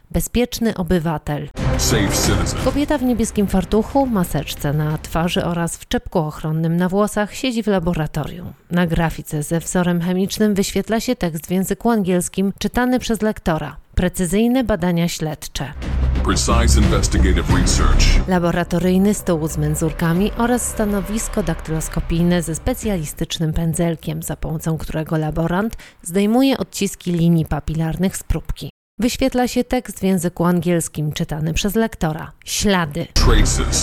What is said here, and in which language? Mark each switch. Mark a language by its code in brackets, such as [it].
[pl] Bezpieczny obywatel. Kobieta w niebieskim fartuchu, maseczce na twarzy oraz w czepku ochronnym na włosach siedzi w laboratorium. Na grafice ze wzorem chemicznym wyświetla się tekst w języku angielskim czytany przez lektora. Precyzyjne badania śledcze. [en] Precise investigative research. [pl] Laboratoryjny stół z mędzurkami oraz stanowisko daktyloskopijne ze specjalistycznym pędzelkiem, za pomocą którego laborant zdejmuje odciski linii papilarnych z próbki. Wyświetla się tekst w języku angielskim czytany przez lektora. Ślady. [en] Traces.